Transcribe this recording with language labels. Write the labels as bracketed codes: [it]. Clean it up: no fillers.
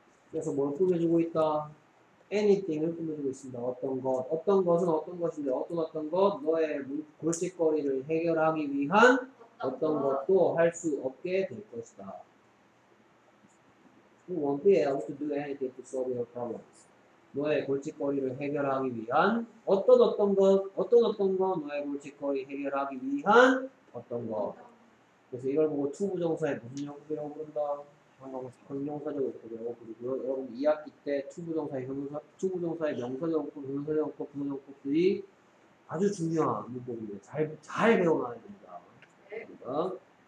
[ko] 그래서 뭘 꾸며주고 있다? anything을 꾸며주고 있습니다. 어떤 것. 어떤 것은 어떤 것인데, 어떤 것, 너의 골칫거리를 해결하기 위한 어떤 것도 할 수 없게 될 것이다. [en] You won't be able to do anything to solve your problems. [ko] 너의 골칫거리를 해결하기 위한 어떤 것, 어떤 것, 너의 골칫거리 해결하기 위한 어떤 것. 그래서 이걸 보고 to 부정사에 무슨 형태라고 부른다? 형용사적으로 그리고 여러분 2학기 때 투부정사의 형용사, 투부정사의 명사적으로 형용사적으로 부정사들이 아주 중요한 문법인데 잘 배워놔야 됩니다.